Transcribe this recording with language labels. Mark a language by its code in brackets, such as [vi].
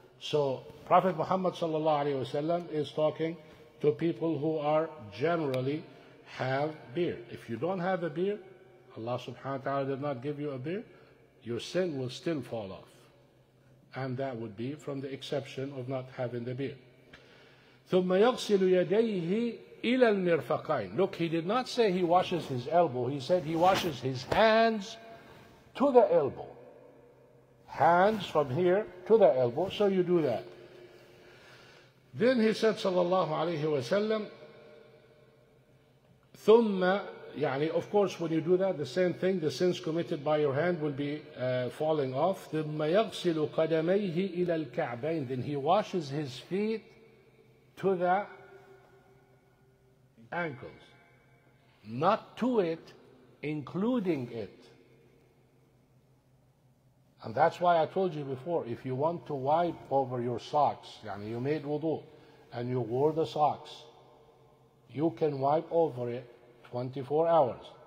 [en] So Prophet Muhammad sallallahu alaihi wasallam is talking to people who are generally have beard. If you don't have a beard, Allah subhanahu wa ta'ala did not give you a beard, your sin will still fall off. And that would be from the exception of not having the beard. [ar] ثم يغسل يديه إلى المرفقين. [en] Look, he did not say he washes his elbow. He said he washes his hands to the elbow. Hands from here to the elbow. So you do that. Then he said, صلى الله عليه وسلم, ثم, يعني, of course, when you do that, the same thing, the sins committed by your hand will be falling off. [ar] ثم يغسل قدميه إلى الكعبين. [en] Then he washes his feet to the ankles. Not to it, including it. And that's why I told you before, if you want to wipe over your socks, يعني you made wudu, and you wore the socks, you can wipe over it 24 hours.